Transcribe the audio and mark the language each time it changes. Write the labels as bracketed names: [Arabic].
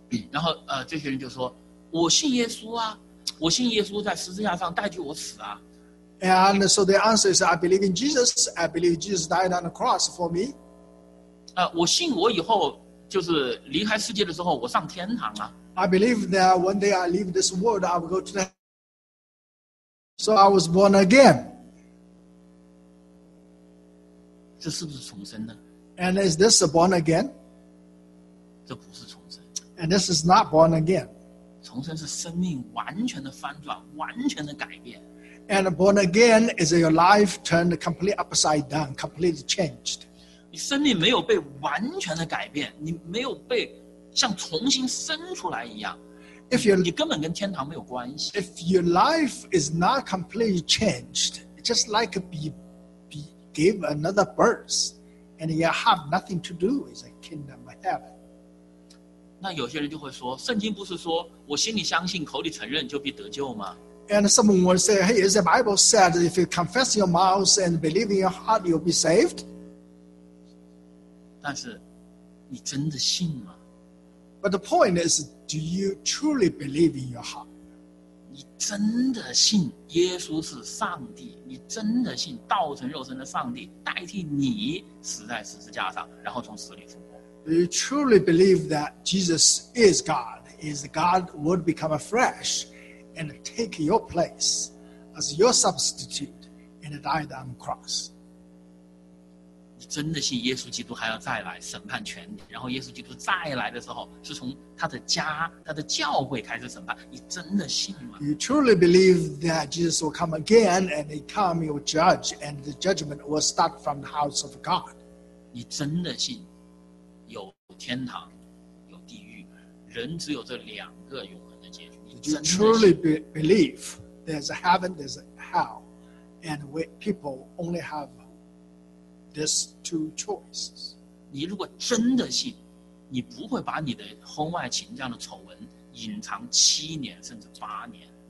[Chinese] 然后这些人就说，我信耶稣啊。我信耶稣在十字架上代替我死啊。 [English] And so the answer is, I believe in Jesus. I believe Jesus died on the cross for me. [Chinese] 我信我以后就是离开世界的时候我上天堂了。 [English] I believe that one day I leave this world, I will go to the heaven. So I was born again. [Chinese] 这是不是重生呢？ [English] And is this a born again? [Chinese] 这不是重生。 [English] And this is not born again. [Chinese] 重生是生命完全的翻转，完全的改变。 [English] And born again is your life turned completely upside down, completely changed. [Chinese] 你生命没有被完全的改变，你没有被像重新生出来一样。 [English] If your [Chinese] 你根本跟天堂没有关系。 [English] If your life is not completely changed, just like be give another birth, and you have nothing to do with the kingdom of heaven. [Chinese] 那有些人就会说，圣经不是说我心里相信口里承认就必得救吗？ [English] And someone will say, hey, is the Bible said if you confess your mouth and believe in your heart, you'll be saved? [Chinese] 但是你真的信吗？ [English] But the point is, do you truly believe in your heart? [Chinese] 你真的信耶稣是上帝，你真的信道成肉身的上帝代替你死在十字架上然后从死里复活。 [English] Do you truly believe that Jesus is God? Is God would become a flesh and take your place as your substitute and die on the cross? [Chinese] 你真的信耶稣基督还要再来审判全地，然后耶稣基督再来的时候是从他的家他的教会开始审判，你真的信吗？ [English] You truly believe that Jesus will come again and he come, he will judge, and the judgment will start from the house of God? [Chinese] 你真的信有天堂有地狱，人只有这两个永恒的结局。 [English] Do you truly believe there's a heaven, there's a hell, and people only have these two choices? [Chinese] 你如果真的信，你不会把你的婚外情这样的丑闻隐藏七年甚至八年。